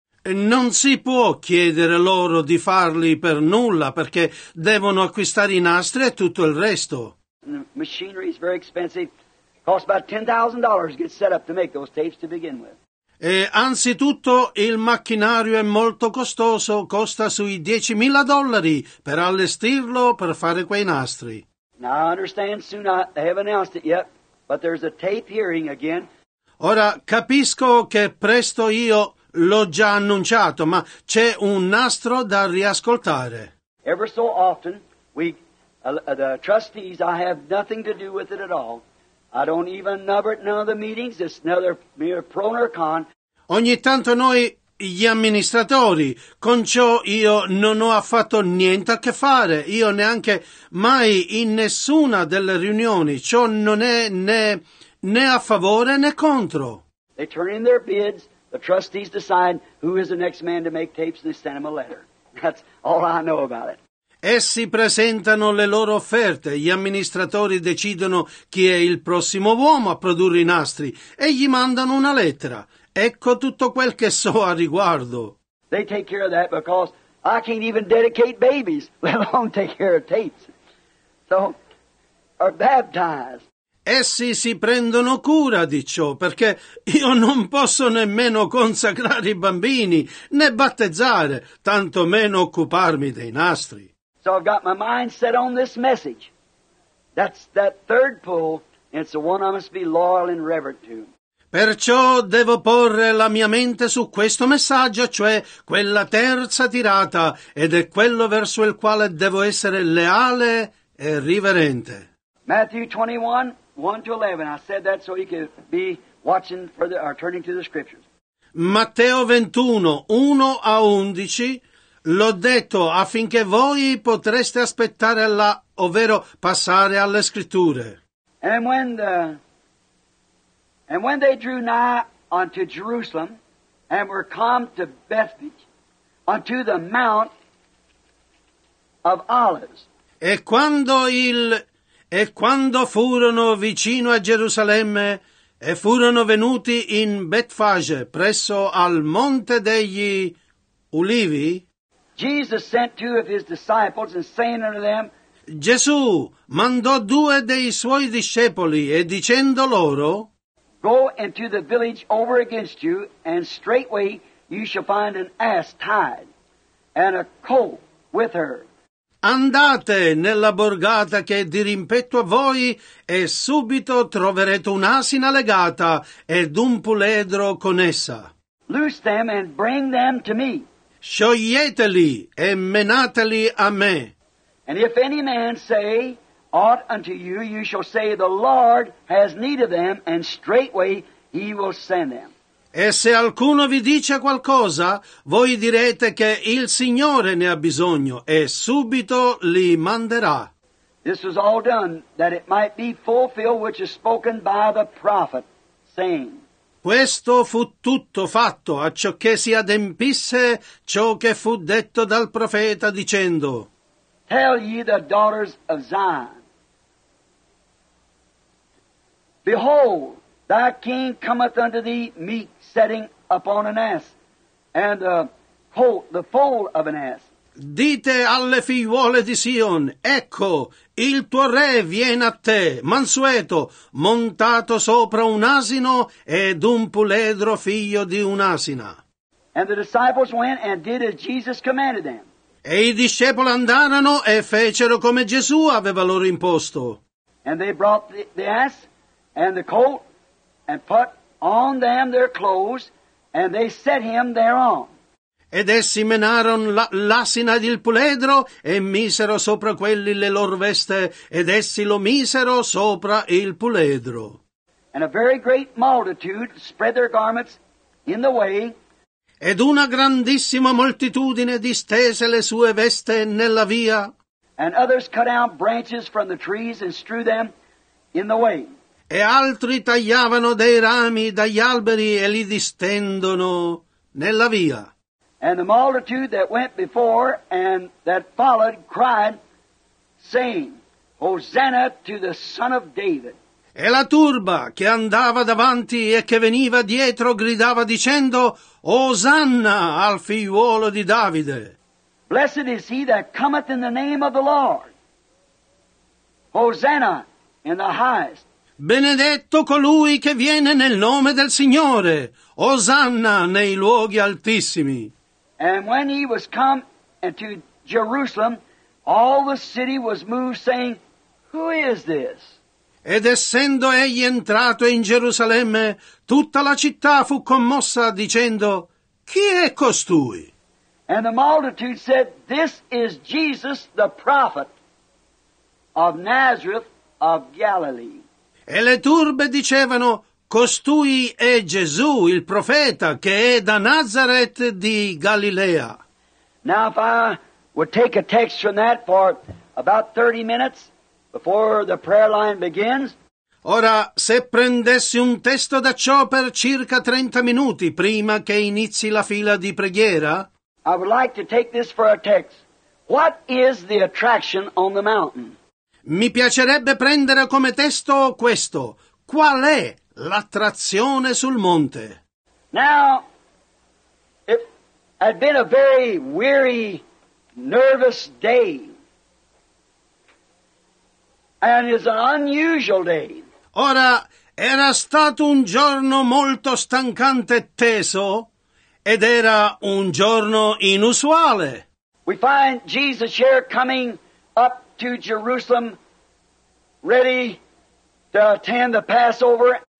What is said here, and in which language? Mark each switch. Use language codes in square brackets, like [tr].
[it] Non si può chiedere loro di farli per nulla, perché devono acquistare i nastri e tutto il resto. [en] The machinery is very expensive. It costs about $10,000 to get set up to make those tapes to begin with. [it] E anzitutto il macchinario è molto costoso, costa sui $10,000 per allestirlo per fare quei nastri. [en] Now I understand soon they haven't announced it yet, but there's a tape hearing again. [it] Ora capisco che presto io l'ho già annunciato, ma c'è un nastro da riascoltare. [en] Ever so often we the trustees, I have nothing to do with it at all. I don't even number it none of the meetings. It's another mere pro or con. [it] Ogni tanto noi, gli amministratori, con ciò io non ho affatto niente a che fare. Io neanche mai in nessuna delle riunioni. Ciò non è né a favore né contro. [en] They turn in their bids. The trustees decide who is the next man to make tapes and they send him a letter. That's all I know about it. [it] Essi presentano le loro offerte, gli amministratori decidono chi è il prossimo uomo a produrre i nastri e gli mandano una lettera. Ecco tutto quel che so a riguardo. [en] They take care of that because I can't even dedicate babies, let alone take care of tapes. So, are baptized. [it] Essi si prendono cura di ciò perché io non posso nemmeno consacrare i bambini né battezzare, tanto meno occuparmi dei nastri. [en] So I've got my mind set on this message. That's that third pull, and it's the one I must be loyal and reverent to. [it] Perciò devo porre la mia mente su questo messaggio, cioè quella terza tirata, ed è quello verso il quale devo essere leale e riverente. [en] Matthew 21, 1 to 11. I said that so you could be watching for the, or turning to the scriptures. [it] Matteo 21, 1 a 11. L'ho detto affinché voi potreste aspettare là, ovvero passare alle scritture. [en] And when they drew nigh unto Jerusalem, and were come to Bethphage, unto the Mount of Olives. [it] E quando furono vicino a Gerusalemme, e furono venuti in Betfage, presso al monte degli ulivi. [en] Jesus sent two of his disciples and saying unto them, [it] Gesù mandò due dei suoi discepoli e dicendo loro, [en] go into the village over against you, and straightway you shall find an ass tied and a colt with her. [it] Andate nella borgata che è dirimpetto a voi e subito troverete un'asina legata ed un puledro con essa. [en] Loose them and bring them to me. [it] Scioglieteli e menateli a me. [en] And if any man say aught unto you, you shall say the Lord has need of them, and straightway he will send them. [it] E se alcuno vi dice qualcosa, voi direte che il Signore ne ha bisogno, e subito li manderà. [en] This was all done that it might be fulfilled which is spoken by the prophet, saying. [it] Questo fu tutto fatto, a ciò che si adempisse ciò che fu detto dal profeta, dicendo, [en] Tell ye the daughters of Zion, behold, thy king cometh unto thee meek, setting upon an ass, and a colt, the foal of an ass. [it] Dite alle figliuole di Sion, ecco, il tuo re viene a te, mansueto, montato sopra un asino ed un puledro figlio di un'asina. [en] And the disciples went and did as Jesus commanded them. [it] E i discepoli andarono e fecero come Gesù aveva loro imposto. [en] And they brought the ass and the colt and put on them their clothes and they set him thereon. [it] Ed essi menarono l'asina ed il puledro e misero sopra quelli le loro veste ed essi lo misero sopra il puledro. [en] And a very great multitude spread their garments in the way. [it] Ed una grandissima moltitudine distese le sue veste nella via. [en] And others cut out branches from the trees and strew them in the way. [it] E altri tagliavano dei rami dagli alberi e li distendono nella via. [en] And the multitude that went before and that followed cried, saying, Hosanna to the Son of David. [it] E la turba che andava davanti e che veniva dietro gridava dicendo, Osanna al figliuolo di Davide. [en] Blessed is he that cometh in the name of the Lord. Hosanna in the highest. [it] Benedetto colui che viene nel nome del Signore. Osanna nei luoghi altissimi. [en] And when he was come into Jerusalem, all the city was moved, saying, Who is this? [it] Ed essendo egli entrato in Gerusalemme, tutta la città fu commossa, dicendo, Chi è costui? [en] And the multitude said, This is Jesus, the prophet of Nazareth of Galilee. [it] E le turbe dicevano, Costui è Gesù, il profeta, che è da Nazareth di Galilea. [en] Now if I would take a text from that for about 30 minutes before the prayer line begins. [it] Ora, se prendessi un testo da ciò per circa 30 minuti prima che inizi la fila di preghiera. [en] I would like to take this for a text. What is the attraction on the mountain? [it] Mi piacerebbe prendere come testo questo. Qual è l'attrazione sul monte? [en] Now, it had been a very weary, nervous day. And it's an unusual day. [it] Ora, era stato un giorno molto stancante e teso, ed era un giorno inusuale. [en] We find Jesus here coming up to Jerusalem, ready to attend the Passover.